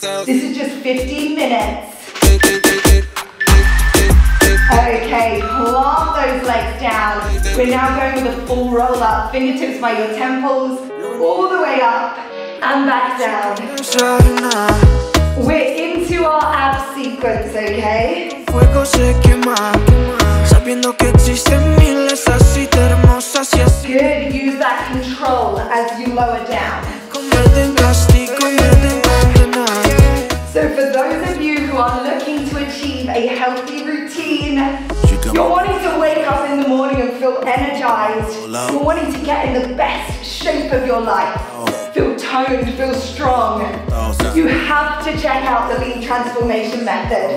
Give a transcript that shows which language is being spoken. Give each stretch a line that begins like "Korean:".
English: This is just 15 minutes. Okay, plant those legs down. We're now going with a full roll up, fingertips by your temples, all the way up and back down. We're into our ab sequence, okay?
Spanish: Fuego se quema, sabiendo que existen miles así de hermosas y así.
English: Good, use that control as you lower down. So for those of you who are looking to achieve a healthy routine, you're wanting to wake up in the morning and feel energized, you're wanting to get in the best shape of your life, feel toned, feel strong, you have to check out the Lean Transformation Method.